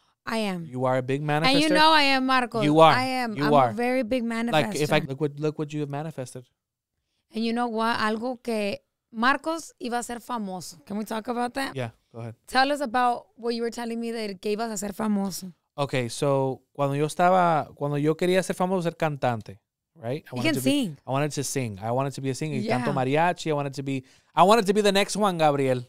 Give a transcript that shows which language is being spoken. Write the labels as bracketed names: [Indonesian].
[English] I am. You are a big manifester. And you know I am, Marcos. You are. I am. You I'm are a very big manifester. Like, if I look what you have manifested. And you know what? [Spanish] Algo que Marcos iba a ser famoso. [English] Can we talk about that? Yeah, go ahead. Tell us about what you were telling me that [Spanish] que ibas a ser famoso. [English] Okay, so [Spanish] cuando yo quería ser famoso, ser cantante. [English] Right? I wanted to sing. I wanted to sing. I wanted to be a singer. Yeah. [Spanish] Canto mariachi. [English] I wanted to be the next Juan Gabriel.